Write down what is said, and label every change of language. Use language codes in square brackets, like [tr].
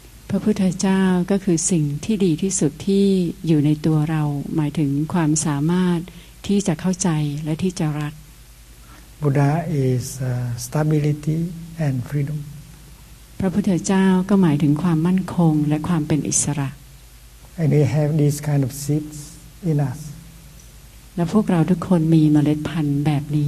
[th] พระพุทธเจ้าก็คือสิ่งที่ดีที่สุดที่อยู่ในตัวเราหมายถึงความสามารถที่จะเข้าใจและที่จะรัก [en] Buddha is stability and freedom. [th] พระพุทธเจ้าก็หมายถึงความมั่นคงและความเป็นอิสระ [en] And we have these kind of seeds in us. [th] และพวกเราทุกคนมีเมล็ดพันธุ์แบบนี